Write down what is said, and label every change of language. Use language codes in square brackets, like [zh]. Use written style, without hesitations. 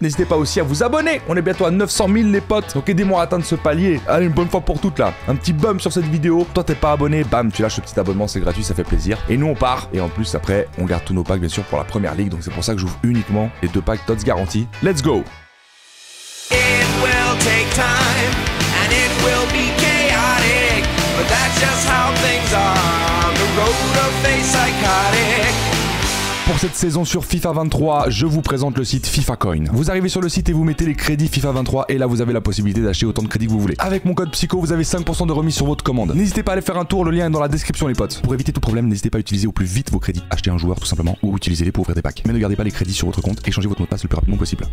[fr] N'hésitez pas aussi à vous abonner, on est bientôt à 900 000 les potes. Donc aidez-moi à atteindre ce palier. Allez, une bonne fois pour toutes là, un petit bum sur cette vidéo. Toi t'es pas abonné, bam, tu lâches le petit abonnement, c'est gratuit, ça fait plaisir. Et nous on part. Et en plus après, on garde tous nos bien sûr pour la première ligue, donc c'est pour ça que j'ouvre uniquement les deux packs TOTS garantis. [en] Let's go! It will take time and it will be chaotic, but that's just how things are. The road of a psychotic. [fr] Pour cette saison sur FIFA 23, je vous présente le site FIFA Coin. Vous arrivez sur le site et vous mettez les crédits FIFA 23 et là vous avez la possibilité d'acheter autant de crédits que vous voulez. Avec mon code PSYCHO, vous avez 5% de remise sur votre commande. N'hésitez pas à aller faire un tour, le lien est dans la description les potes. Pour éviter tout problème, n'hésitez pas à utiliser au plus vite vos crédits, acheter un joueur tout simplement ou utilisez-les pour ouvrir des packs. Mais ne gardez pas les crédits sur votre compte et changez votre mot de passe le plus rapidement possible.